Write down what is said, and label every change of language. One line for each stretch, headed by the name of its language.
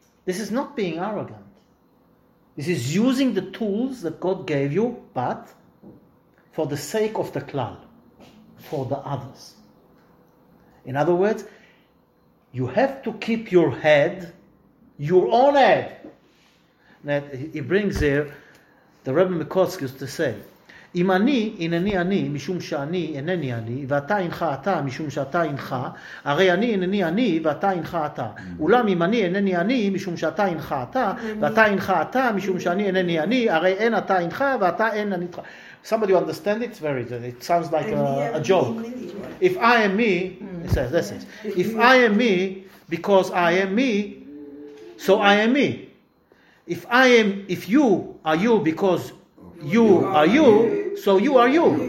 English: This is not being arrogant. This is using the tools that God gave you, but for the sake of the klal, for the others. In other words, you have to keep your head, your own head, that he brings here, the Rebbe Mikotsky used to say,
Hebrew: אם אני, אינני אני, משום שאני, אינני אני, ואתה אינך אתה, משום שאתה אינך, הרי אני, אינני אני, ואתה אינך אתה. אולם אם אני, אינני אני, משום שאתה אינך אתה, ואתה אינך אתה, משום שאני, אינני אני, הרי אין אתה אינך, ואתה אין אני אתך.
English: Somebody understand it? Very good. It sounds like a joke. If I am me, he says, this is, if I am me, because I am me, so I am me. If I am, if you are you, because you are you, so you are you.